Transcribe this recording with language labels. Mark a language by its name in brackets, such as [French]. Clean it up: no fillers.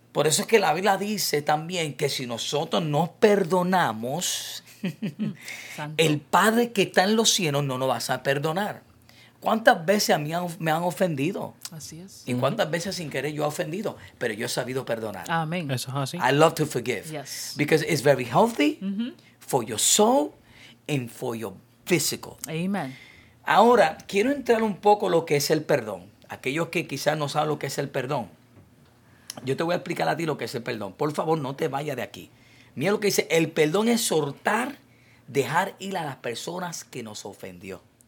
[Spanish] Por eso es que la Biblia dice también que si nosotros no perdonamos, el Padre que está en los cielos no nos va a perdonar. ¿Cuántas veces a mí me han ofendido? Así es. ¿Y cuántas veces sin querer yo he ofendido? Pero yo he sabido perdonar. Amén. Eso es así. [English] I love to forgive. Yes. Because it's very healthy for your soul and for your physical. Amen. [Spanish] Ahora, quiero entrar un poco lo que es el perdón. Aquellos que quizás no saben lo que es el perdón. Yo te voy a explicar a ti lo que es el perdón. Por favor, no te vayas de aquí. Mira lo que dice. El perdón es soltar, dejar ir a las personas que nos ofendió.